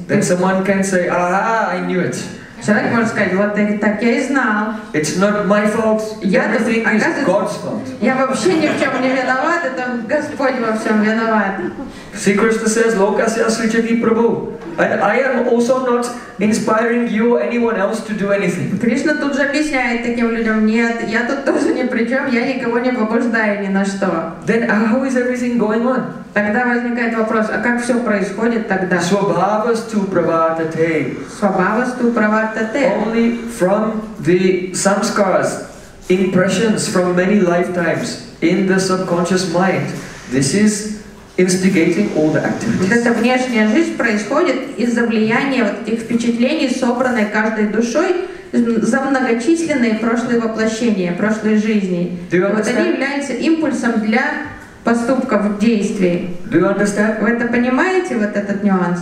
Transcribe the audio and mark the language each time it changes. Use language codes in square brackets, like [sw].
[en] Then someone can say, ah, I knew it. [ru] Человек может сказать: вот так я и знал. [en] It's not my fault. Everything is God's fault. [ru] Я вообще ни в чем не виноват, это Господь во всем виноват. [en] See, Krishna says, [sa] Lokasya Srichati Prabhu. [en] And I am also not inspiring you or anyone else to do anything. [ru] Кришна тут же объясняет таким людям: нет, я тут тоже ни при чем, я никого не побуждаю ни на что. [en] Then how is everything going on? [ru] Тогда возникает вопрос: а как все происходит тогда? [sa] Свабхавасту праватате. Свабхавасту праватате. [en] Only from the samskaras, impressions from many lifetimes in the subconscious mind, this is instigating all the activities. [ru] Вот эта внешняя жизнь происходит из-за влияния вот этих впечатлений, собранной каждой душой за многочисленные прошлые воплощения, прошлые жизни. Вот они являются импульсом для поступков, действий. [en] Do you understand? [ru] Вы это понимаете, вот этот нюанс?